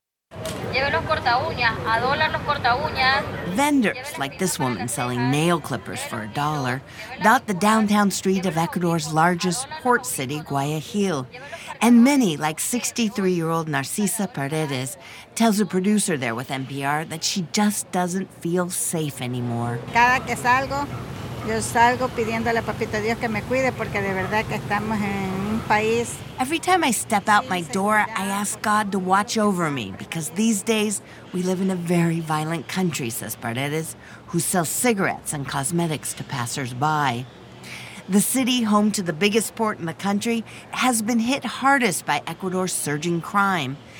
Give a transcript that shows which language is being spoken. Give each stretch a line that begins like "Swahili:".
English: Vendors, like this woman selling nail clippers for a dollar, dot the downtown street of Ecuador's largest port city, Guayaquil. And many, like 63-year-old Narcisa Paredes, tells a producer there with NPR that she just doesn't feel safe anymore.
Spanish: Cada que salgo, yo salgo pidiéndole a papito Dios que me cuide porque de verdad que estamos en un país.
English: Every time I step out my door, I ask God to watch over me because these days we live in a very violent country, says Paredes, who sells cigarettes and cosmetics to passersby. The city, home to the biggest port in the country, has been hit hardest by Ecuador's surging crime.